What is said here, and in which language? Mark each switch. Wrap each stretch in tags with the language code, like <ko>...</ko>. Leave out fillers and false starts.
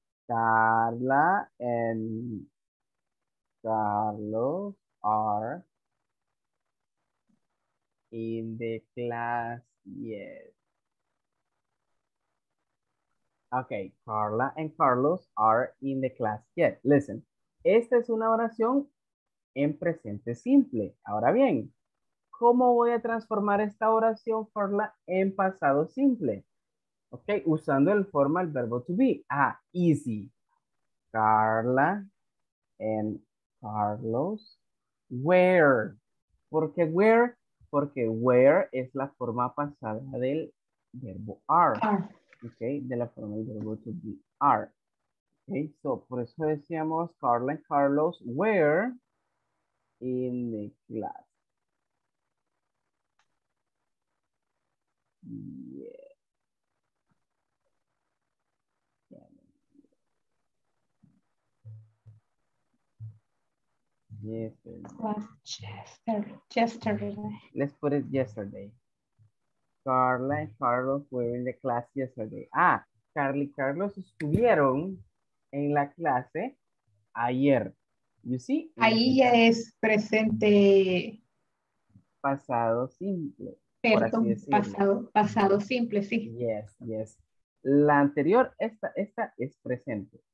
<en>Carla and Carlos are in the class, yes. Okay, Carla and Carlos are in the class yet.</en> <es>Listen, esta es una oración en presente simple. Ahora bien, ¿cómo voy a transformar esta oración, Carla, en pasado simple? Okay, usando el formal verbo to be.</es> <en>Ah, easy. Carla and Carlos were.</en> <es>¿Por qué</es> <en>were?</en> <es>Porque were es la forma pasada del verbo are. Okay, de la forma del verbo to be are.</es> <en>Okay, so</en> <es>por eso decíamos</es> <en>Carla and Carlos were in the class. Yeah. Yesterday. Let's put it yesterday. Carla and Carlos were in the class yesterday.</en> <es>Ah, Carly y Carlos estuvieron en la clase ayer.</es> <en>You see?</en> <es>Ahí ya es presente. Pasado simple. Perdón, pasado simple, sí.</es> <en>Yes, yes.</en> <es>La anterior, esta es presente.</es>